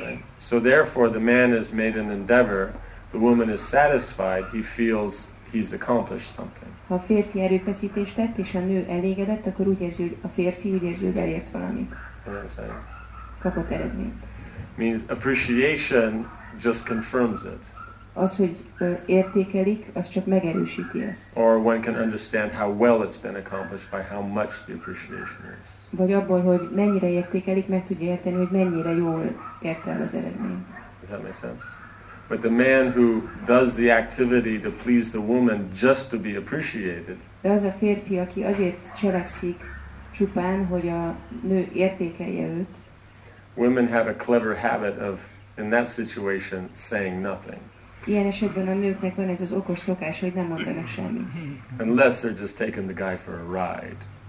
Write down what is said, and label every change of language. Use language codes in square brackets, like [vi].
[en] Right. So therefore, the man has made an endeavor, the woman is satisfied, he feels he's accomplished something. [hu] Ha a férfi erőfeszítést tett, és a nő elégedett, akkor úgy érzi, hogy a férfi úgy érzi, hogy elért valamit. Kapott eredményt. [en] Means appreciation just confirms it. [hu] Az, hogy értékelik, az csak megerősíti ezt. [en] Or one can understand how well it's been accomplished by how much the appreciation is. [hu] Vagy abból, hogy mennyire értékelik, meg tudja érteni, hogy mennyire jól ért el az eredmény. [en] Does that make sense? But the man who does the activity to please the woman just to be appreciated. [hu] De az a férfi, aki azért cselekszik csupán, hogy a nő értékelje őt. [en] Women have a clever habit of, in that situation, saying nothing. [hu] Ilyen esetben a nőknek van ez az okos szokás, hogy nem mondanak semmit. [en] Unless they're just taking the guy for a ride.